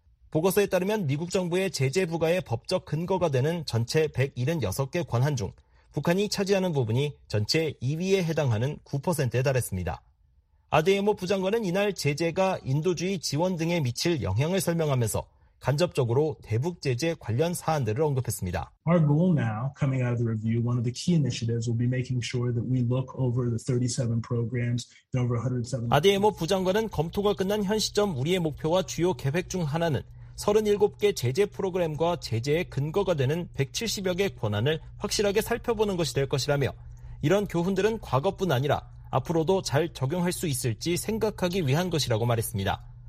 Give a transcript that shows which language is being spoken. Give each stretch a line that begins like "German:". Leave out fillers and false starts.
Korean: 보고서에 따르면 미국 정부의 제재 부과의 법적 근거가 되는 전체 176개 관한 중 북한이 차지하는 부분이 전체 2위에 해당하는 9%에 달했습니다. 아데예모 부장관은 이날 제재가 인도주의 지원 등에 미칠 영향을 설명하면서 간접적으로 대북 제재 관련 사안들을 언급했습니다.
English: Our goal now coming out of the review, one of the key initiatives will be making sure that we look over the 37 programs and over 107.
Korean: 아데예모 부장관은 검토가 끝난 현 시점 우리의 목표와 주요 계획 중 하나는 37개 제재 프로그램과 제재의 근거가 되는 170여 개 권한을 확실하게 살펴보는 것이 될 것이라며 이런 교훈들은 과거뿐 아니라 앞으로도 잘 적용할 수 있을지 생각하기 위한 것이라고 말했습니다.